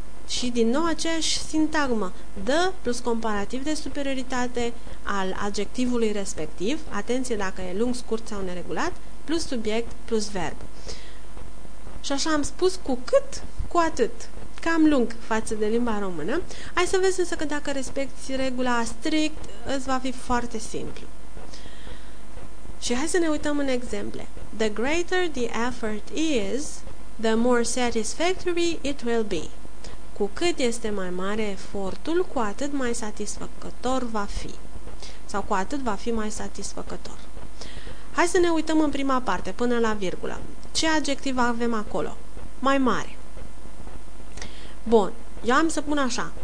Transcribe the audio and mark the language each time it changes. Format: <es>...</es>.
<ro>Și din nou aceeași sintagmă, the plus comparativ de superioritate al adjectivului respectiv, atenție dacă e lung, scurt sau neregulat, plus subiect, plus verb. Și așa am spus, cu cât, cu atât. Cam lung față de limba română. Hai să vezi însă că dacă respecti regula strict, îți va fi foarte simplu. Și hai să ne uităm în exemple.</ro> <en>The greater the effort is, the more satisfactory it will be.</en> <ro>Cu cât este mai mare efortul, cu atât mai satisfăcător va fi. Sau cu atât va fi mai satisfăcător. Hai să ne uităm în prima parte, până la virgulă. Ce adjectiv avem acolo? Mai mare. Bun, eu am să pun așa.</ro>